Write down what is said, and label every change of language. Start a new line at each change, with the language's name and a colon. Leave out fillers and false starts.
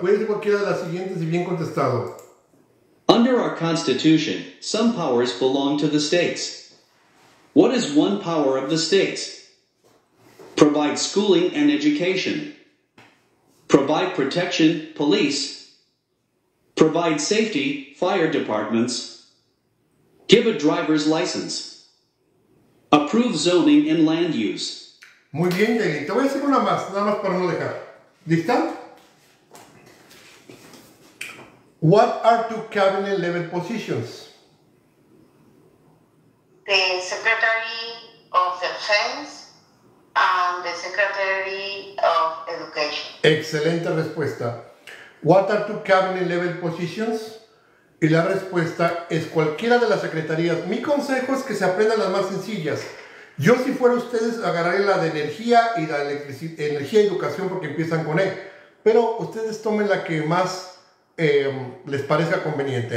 Spanish: Puede ser cualquiera de las siguientes y bien contestado.
English: Under our Constitution, some powers belong to the states. What is one power of the states? Provide schooling and education. Provide protection, police. Provide safety, fire departments. Give a driver's license. Approve zoning and land use.
Spanish: Muy bien, Jenny. Te voy a hacer una más, nada más para no dejar. ¿Lista?
English: What are two cabinet level positions? The Secretary of Defense and the Secretary of Education.
Spanish: Excelente respuesta.
English: What are two cabinet level positions?
Spanish: Y la respuesta es cualquiera de las secretarías. Mi consejo es que se aprendan las más sencillas. Yo, si fuera ustedes, agarraré la de energía y la energía y educación porque empiezan con E. Pero ustedes tomen la que más les parezca conveniente.